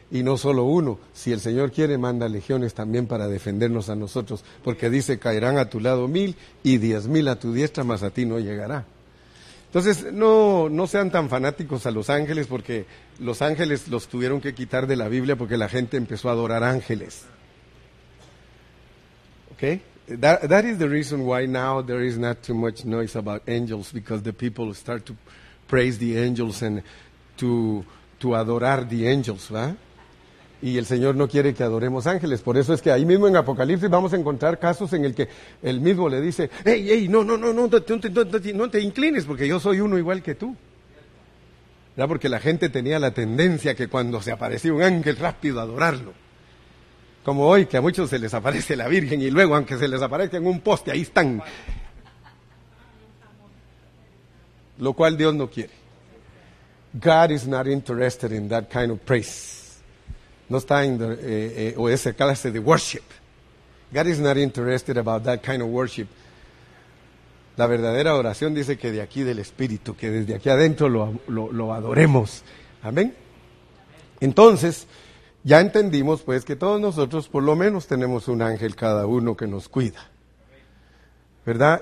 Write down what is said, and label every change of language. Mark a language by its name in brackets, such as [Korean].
[Spanish] Y no solo uno, si el Señor quiere, manda legiones también para defendernos a nosotros. Porque dice, caerán a tu lado mil y 10,000 a tu diestra, mas a ti no llegará. Entonces, no sean tan fanáticos a los ángeles, porque los ángeles los tuvieron que quitar de la Biblia porque la gente empezó a adorar ángeles. [English] Okay, that is the reason why now there is not too much noise about angels, because the people start to praise the angels and to adorar the angels, ¿va? [Spanish] Y el Señor no quiere que adoremos ángeles. Por eso es que ahí mismo en Apocalipsis vamos a encontrar casos en el que el mismo le dice, hey, no te inclines, porque yo soy uno igual que tú. Era porque la gente tenía la tendencia que cuando se aparecía un ángel, rápido adorarlo. Como hoy, que a muchos se les aparece la Virgen y luego, aunque se les aparezca en un poste, ahí están. Lo cual Dios no quiere. [English] God is not interested in that kind of praise. [Spanish] No está en esa clase de worship. [English] God is not interested about that kind of worship. [Spanish] La verdadera oración dice que de aquí del Espíritu, que desde aquí adentro lo adoremos. ¿Amén? Entonces, ya entendimos pues que todos nosotros por lo menos tenemos un ángel cada uno que nos cuida. ¿Verdad?